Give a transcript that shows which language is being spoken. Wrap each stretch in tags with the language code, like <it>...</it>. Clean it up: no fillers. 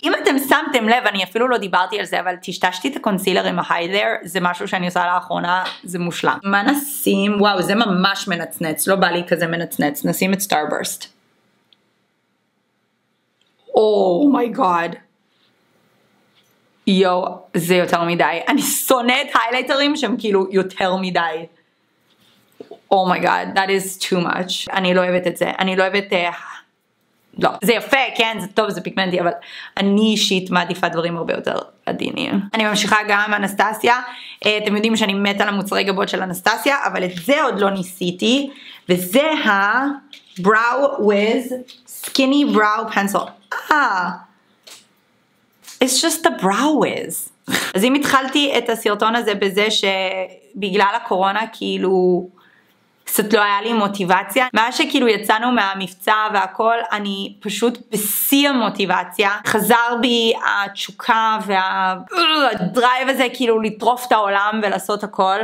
<he>אם אתם שמתם לב, אני אפילו לא דיברתי על זה, אבל טשטשתי את הקונסילר עם ההיילייטר, זה משהו שאני עושה לאחרונה, זה מושלם. מה נשים? וואו, זה ממש מנצנץ, לא בא לי כזה מנצנץ, נשים את סטארברסט.</he> <en>Oh my god.</en> <he>יו, זה יותר מדי. אני שונאת ההיילייטרים שהם כאילו יותר מדי.</he> <en>Oh my god, that is too much.</en> <he>אני לא אוהבת את זה. אני לא אוהבת... לא. זה יפה, כן, זה טוב, זה פיגמנטי, אבל אני אישית מעדיפה דברים הרבה יותר עדינים. אני ממשיכה גם אנסטסיה. אתם יודעים שאני מתה למוצרי גבות של אנסטסיה, אבל את זה עוד לא ניסיתי. וזה ה-Brow with Skinny Brow Pencil.</he> <en>It's just the brow with.</en> <he>אז אם התחלתי את הסרטון הזה בזה שבגלל הקורונה, כאילו קצת לא היה לי מוטיבציה. מה שכאילו יצאנו מהמבצע והכל, אני פשוט בשיא המוטיבציה. חזר בי התשוקה והדרייב הזה כאילו לטרוף את העולם ולעשות הכל.</he>